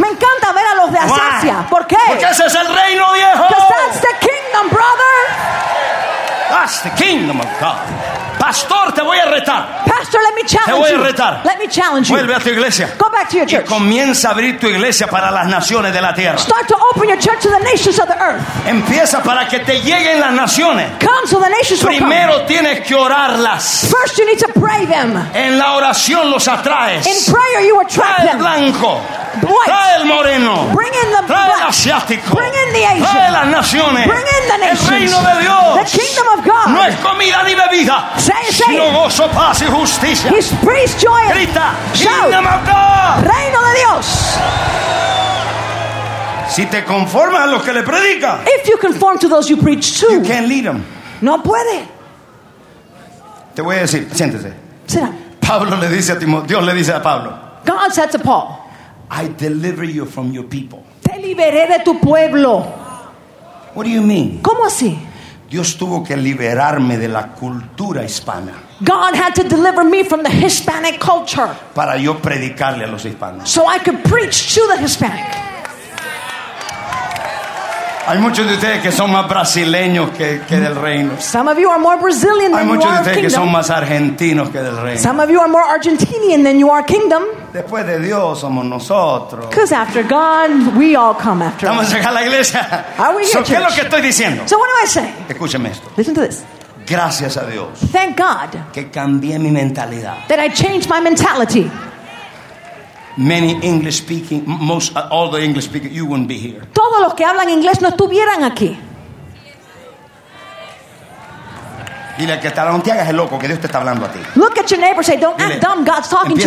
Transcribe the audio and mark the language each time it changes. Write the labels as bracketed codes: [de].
[es] Me encanta ver a los de Asia. ¿Por qué? Porque ese es el reino viejo. [en] Because that's the kingdom, brother. That's the kingdom of God. [es] Pastor, te voy a retar. [en] Pastor, let me challenge you. [es] Te voy a retar. [en] Let me challenge you. [es] Vuelve a tu iglesia. [en] Go back to your church. [es] Y comienza a abrir tu iglesia para las naciones de la tierra. [en] Start to open your church to the nations of the earth. [es] Empieza para que te lleguen las naciones. [en] Come so the nations will come. [es] Primero tienes que orarlas. [en] First you need to pray them. [es] En la oración los atraes. [en] In prayer you attract them. [es] Trae el blanco. [en] White. [es] Trae el moreno. [en] Bring in the [es] trae [en] black. [es] Trae el asiático. [en] Bring in the Asian. [es] Trae las naciones. [en] Bring in the nations. [es] El reino de Dios. [en] The kingdom of God. [es] No es comida ni bebida. Sino gozo, paz y justicia. [en] His priest joy. [es] Grita, [en] kingdom of God. [es] Reino de Dios. Si te conformas a los que le predica, [en] if you conform to those you preach to, you can't lead them. [es] No puede. Te voy a decir, siéntese. [en] Sit [es] up. Pablo le dice a Timoteo, Dios le dice a Pablo. [en] God said to Paul, I deliver you from your people. [es] Te liberé de tu pueblo. [en] What do you mean? [es] ¿Cómo así? Dios tuvo que liberarme de la cultura hispana. [en] God had to deliver me from the Hispanic culture. [es] Para yo predicarle a los hispanos. [en] So I could preach to the Hispanic. [es] Hay muchos de ustedes que son más brasileños que del reino. [en] Some of you are more Brazilian than you are kingdom. [es] muchos de ustedes que son más argentinos que del reino. [en] Some of you are more Argentinian than you are kingdom. [es] Después de Dios somos nosotros. [en] Because after God, we all come after. [es] Vamos a la iglesia. [en] Are we here, [es] so, ¿qué es lo que estoy diciendo? [en] So what am I saying? [es] Escúcheme esto. [en] Listen to this. [es] Gracias a Dios. [en] Thank God. [es] Que cambié mi mentalidad. [en] That I changed my mentality. Many English speaking, most all the English speaking, you wouldn't be here. [es] Todos los que hablan inglés no estuvieran aquí. Dile que no te hagas el loco, que Dios te está hablando a ti. [en] Look at your neighbor, say, don't act dumb, God's talking to you.